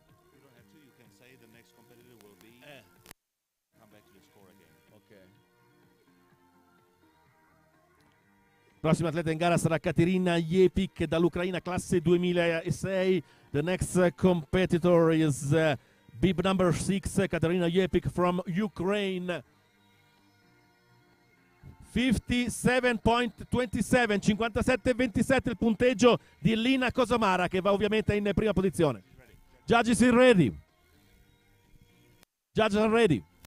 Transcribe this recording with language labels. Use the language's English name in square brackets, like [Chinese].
[English] You don't have to, you can say the next competitor will be come back to the score again. Okay. [Italian] Prossima atleta in gara sarà Caterina Jepic dall'Ucraina, classe 2006. [English] The next competitor is bib number 6, Caterina Jepic from Ukraine. [Italian] 57.27, 57.27 il punteggio di Lina Cosomara, che va ovviamente in prima posizione. [English] Judges are ready. Judges are ready.